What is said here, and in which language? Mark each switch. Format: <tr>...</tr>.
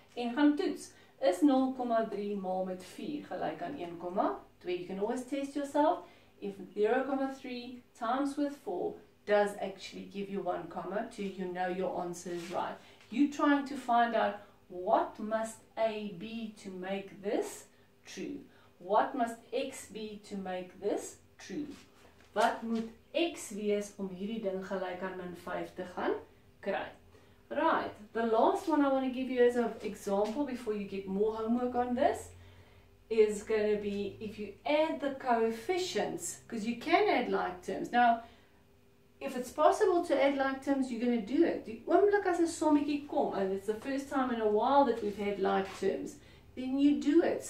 <af>En gaan toets, is 0,3 maal met 4 gelijk aan 1,2?</af> <en>You can always test yourself. If 0,3 times with 4 does actually give you 1,2, you know your answer is right. You're trying to find out what must A be to make this true. What must X be to make this true?</en> <af>Wat moet X wees om hierdie ding gelijk aan min 5 te gaan kry?</af> <en>Right, the last one I want to give you as an example before you get more homework on this is going to be if you add the coefficients, because you can add like terms. Now, if it's possible to add like terms, you're going to do it.</en> <af>Die oomblik as 'n sommetjie kom,</af> <en>and it's the first time in a while that we've had like terms, then you do it.</en>